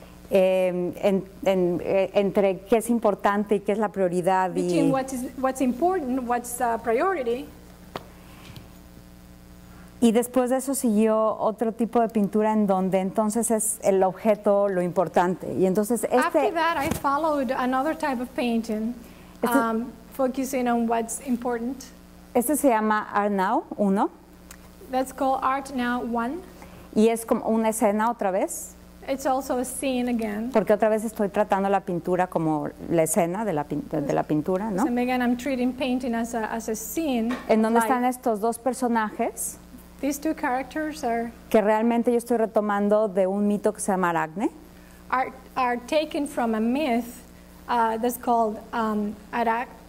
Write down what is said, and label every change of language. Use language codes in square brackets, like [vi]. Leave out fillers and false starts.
[es] Entre qué es importante y qué es la prioridad. [en] Between what's important, what's a priority. [es] Y después de eso siguió otro tipo de pintura en donde entonces es el objeto lo importante. Y entonces [en] after that, I followed another type of painting, focusing on what's important. [es] Este se llama Art Now 1. [en] That's called Art Now 1. [es] Y es como una escena otra vez. [en] It's also a scene again. [es] Porque otra vez estoy tratando la pintura como la escena de la pintura, ¿no? [en] So again, I'm treating painting as a scene. [es] En donde están estos dos personajes. [en] These two characters are. [es] Que realmente yo estoy retomando de un mito que se llama Aracne. [en] Are taken from a myth that's called Aracne.